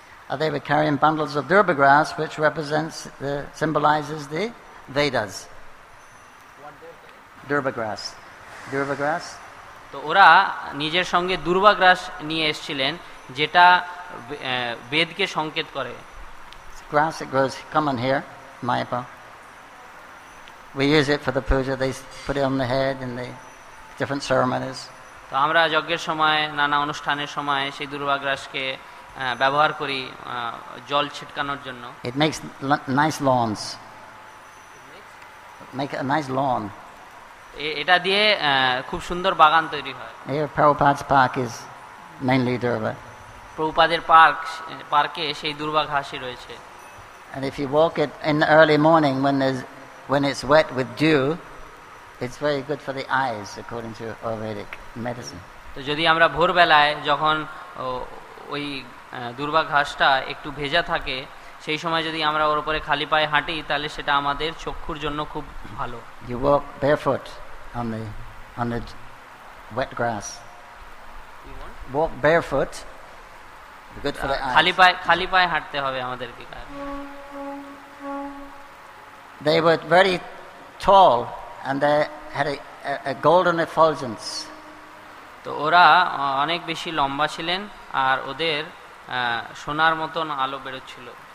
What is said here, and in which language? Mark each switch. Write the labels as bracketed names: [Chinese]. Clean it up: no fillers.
[English] And they were carrying bundles of durba grass, which symbolizes the Vedas. Durba grass. [Bangla] তো ওরা নিজের সঙ্গে দুর্বা গ্রাস নিয়ে এসেছিলেন, যেটা বেদকে সংকেত করে। [English] Grass it grows common here, Mayapur. We use it for the puja. They put it on the head in the different ceremonies. [Bangla] তো আমরা যজ্ঞের সময় নানা অনুষ্ঠানের সময় সেই দুর্বা গ্রাসকে ব্যবহার করি জল ছিটকানোর জন্য। [English] It makes nice lawns. Make a nice lawn. [Bangla] এটা দিয়ে খুব সুন্দর বাগান তৈরি হয়। [English] Here Prabhupada's park is mainly durba. [Bangla] প্রভুপাদের পার্কে সেই দুর্বা ঘাসই রয়েছে। [English] And if you walk it in the early morning when it's wet with dew, it's very good for the eyes according to Ayurvedic medicine. [Bangla] তো যদি আমরা ভোরবেলায় যখন ওই দুর্বা ঘাসটা একটু ভেজা থাকে, সেই সময় যদি আমরা ওর উপরে খালি পায়ে হাঁটি, তাহলে সেটা আমাদের চক্ষুর জন্য খুব ভালো। [English] You walk barefoot on the wet grass. Walk barefoot. Good for the eyes. [Bangla] খালি পায়ে হাঁটতে হবে আমাদেরকে। [English] They were very tall and they had a golden effulgence. [Bangla] তো ওরা অনেক বেশি লম্বা ছিলেন আর ওদের সোনার মতন আলো বেরোচ্ছিল।